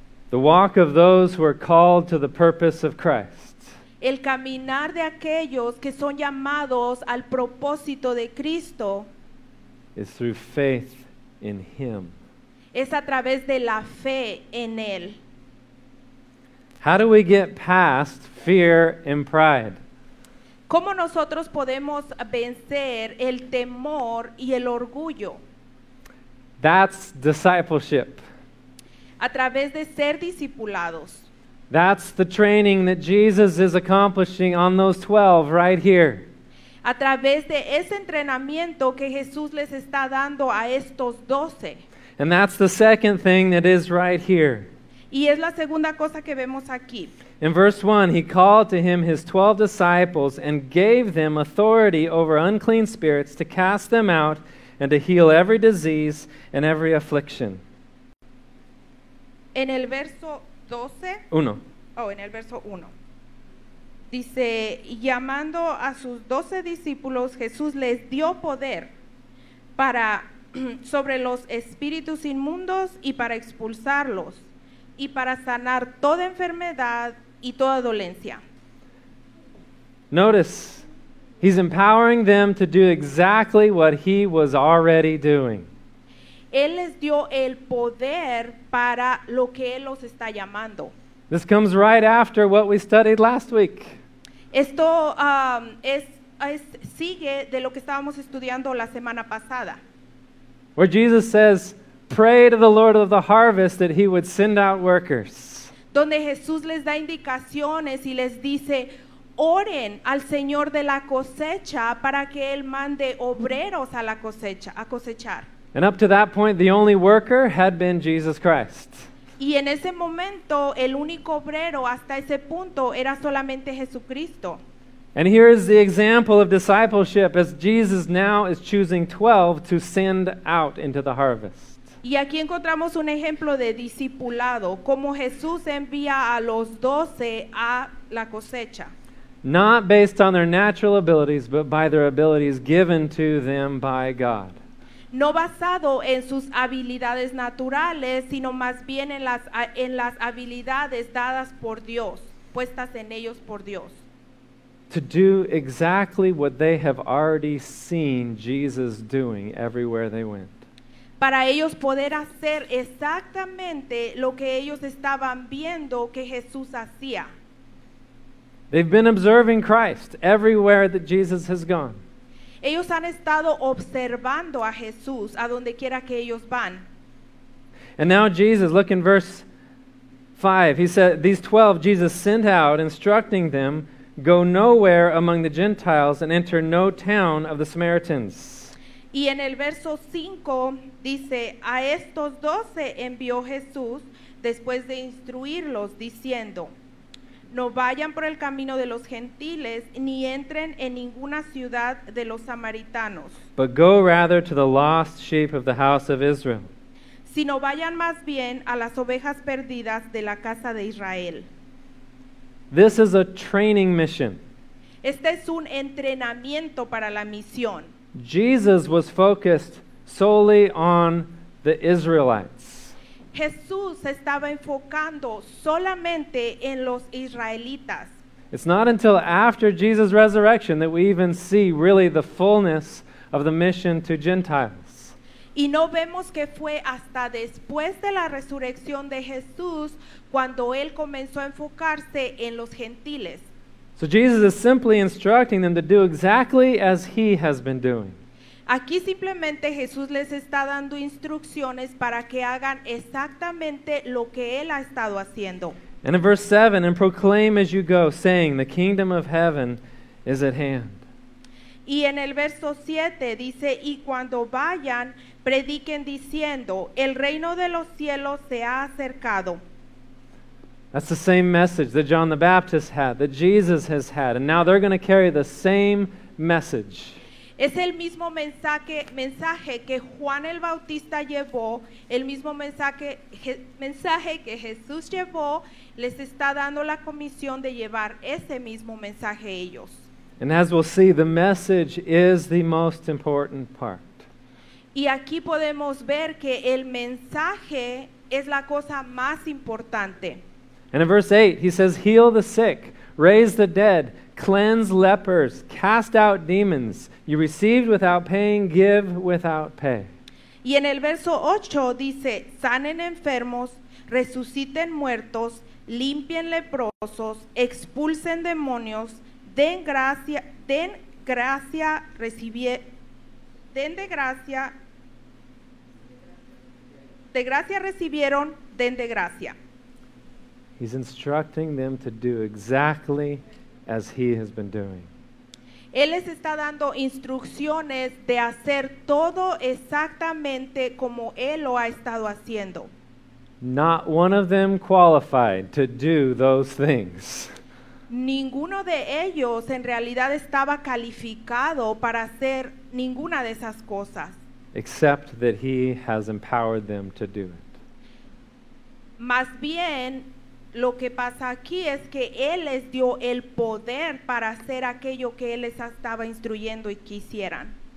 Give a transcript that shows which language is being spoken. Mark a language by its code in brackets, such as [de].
[en] The walk of those who are called to the purpose of Christ. [es] El caminar de aquellos que son llamados al propósito de Cristo. [en] Is through faith in Him. [es] Es a través de la fe en Él. [en] How do we get past fear and pride? [es] ¿Cómo nosotros podemos vencer el temor y el orgullo? [en] That's discipleship. [es] A través de ser discipulados. [en] That's the training that Jesus is accomplishing on those 12 right here. [es] A través de ese entrenamiento que Jesús les está dando a estos 12. [en] And that's the second thing that is right here. [es] Y es la segunda cosa que vemos aquí. [en] In verse 1, he called to him his 12 disciples and gave them authority over unclean spirits to cast them out and to heal every disease and every affliction. [es] En el verso 12. Uno. Oh, en el verso 1. Dice, llamando a sus 12 discípulos, Jesús les dio poder para sobre los espíritus inmundos y para expulsarlos y para sanar toda enfermedad y toda dolencia. [en] Notice, he's empowering them to do exactly what he was already doing. [es] Él les dio el poder para lo que él los está llamando. [en] This comes right after what we studied last week. [es] Esto es sigue de lo que estábamos estudiando la semana pasada. [en] Where Jesus says, pray to the Lord of the harvest that he would send out workers. [es] Donde Jesús les da indicaciones y les dice, oren al Señor de la cosecha para que él mande obreros a la cosecha, a cosechar. [en] And up to that point, the only worker had been Jesus Christ. [es] Y en ese momento, el único obrero hasta ese punto era solamente Jesucristo. [en] And here is the example of discipleship as Jesus now is choosing 12 to send out into the harvest. [es] Y aquí encontramos un ejemplo de discipulado, como Jesús envía a los 12 a la cosecha. [en] Not based on their natural abilities, but by their abilities given to them by God. [es] No basado en sus habilidades naturales, sino más bien en las habilidades dadas por Dios, puestas en ellos por Dios. [en] To do exactly what they have already seen Jesus doing everywhere they went. [es] Para ellos poder hacer exactamente lo que ellos estaban viendo que Jesús hacía. [en] They've been observing Christ everywhere that Jesus has gone. [es] Ellos han estado observando a Jesús a donde quiera que ellos van. [en] And now Jesus, look in verse 5. He said, these 12 Jesus sent out, instructing them, go nowhere among the Gentiles and enter no town of the Samaritans. [es] Y en el verso 5 dice, a estos 12 envió Jesús después de instruirlos, diciendo, no vayan por el camino de los gentiles ni entren en ninguna ciudad de los samaritanos. [en] But go rather to the lost sheep of the house of Israel. [es] Sino vayan más bien a las ovejas perdidas de la casa de Israel. [en] This is a training mission. [es] Este es un entrenamiento para la misión. [en] Jesus was focused solely on the Israelites. [es] Jesús estaba enfocando solamente en los israelitas. [en] It's not until after Jesus' resurrection that we even see really the fullness of the mission to Gentiles. [es] Y no vemos que fue hasta después de la resurrección de Jesús cuando él comenzó a enfocarse en los gentiles. [en] So Jesus is simply instructing them to do exactly as he has been doing. [es] Aquí simplemente Jesús les está dando instrucciones para que hagan exactamente lo que él ha estado haciendo. [en] And in verse 7, and proclaim as you go, saying, the kingdom of heaven is at hand. [es] Y en el verso 7 dice, y cuando vayan, prediquen diciendo, el reino de los cielos se ha acercado. [en] That's the same message that John the Baptist had, that Jesus has had, and now they're going to carry the same message. [es] Es el mismo mensaje que Juan el Bautista llevó, el mismo mensaje que Jesús llevó, les está dando la comisión de llevar ese mismo mensaje ellos. [en] And as we'll see, the message is the most important part. [es] Y aquí podemos ver que el mensaje es la cosa más importante. [en] And in verse 8, he says, heal the sick, raise the dead, cleanse lepers, cast out demons. You received without paying, give without pay. [es] Y en el verso 8 dice, sanen enfermos, resuciten muertos, limpien leprosos, expulsen demonios, den de gracia. [en] He's instructing them to do exactly as he has been doing. [es] Él les está dando instrucciones de hacer todo exactamente como él lo ha estado haciendo. [en] Not one of them qualified to do those things. [es] Ninguno de ellos en realidad estaba calificado para hacer ninguna de esas cosas. [en] Except that he has empowered them to do it. [es] Más bien, lo que pasa aquí es que él les dio el poder para hacer aquello que él les estaba instruyendo y quisieran.